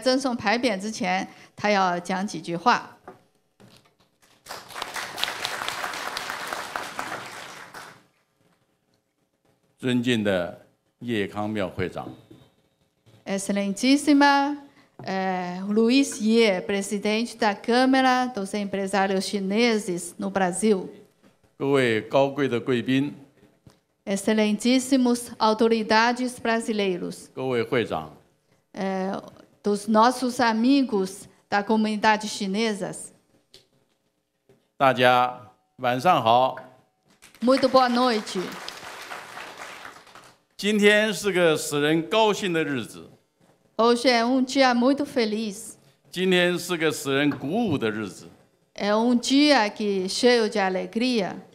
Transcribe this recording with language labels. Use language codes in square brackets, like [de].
[zh] 巴西华商总会赠送牌匾，那么在赠送牌匾之前，他要讲几句话。尊敬的叶康庙会长。 [pt] Excelentíssima Luiz Ye, presidente da Câmara dos Empresários Chineses no Brasil. [zh] 各位高贵的贵宾。 [pt] Excelentíssimos autoridades brasileiros. [zh] 各位会长。 [pt] Dos nossos amigos da comunidade chinesa. [zh] 大家晚上好。 [pt] Muito boa noite. [zh] 今天是个使人高兴的日子。 [pt] Hoje é dia muito feliz. [zh] 今天是个使人鼓舞的日子。 [pt] É dia que cheio de alegria.